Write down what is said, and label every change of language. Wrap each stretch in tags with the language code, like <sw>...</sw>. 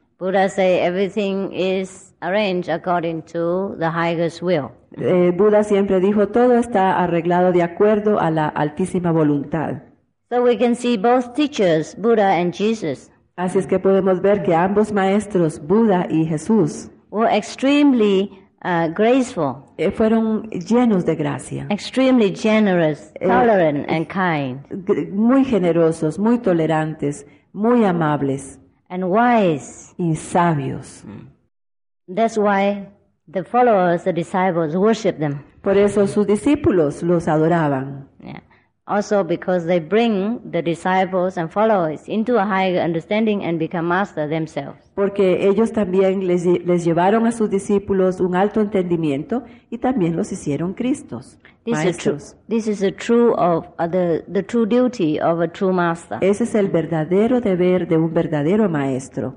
<en>Buddha say everything is arranged according to the highest will.</en> <es>Buddha siempre dijo todo está arreglado de acuerdo a la altísima voluntad.</es> <en>So we can see both teachers, Buddha and Jesus.</en> <es>Así es que podemos ver que ambos maestros, Buddha y Jesús,</es> <en>were extremely graceful.</en> <es>Fueron llenos de gracia.</es> <en>Extremely generous, tolerant and kind.</en> <es>Muy generosos, muy tolerantes, muy amables.</es> <en>And wise.</en> <es>Y sabios.</es> <en>That's why The followers, the disciples, worship them.</en> <es>Por eso sus discípulos los adoraban.</es> <en>Yeah. Also because they bring the disciples and followers into a higher understanding and become master themselves.</en> <es>Porque ellos también les llevaron a sus discípulos un alto entendimiento y también los hicieron Cristos,</es> <en>this</en> <es>maestros.</es> <en>This is the true duty of a true master.</en> <es>Ese es el verdadero deber de un verdadero maestro.</es>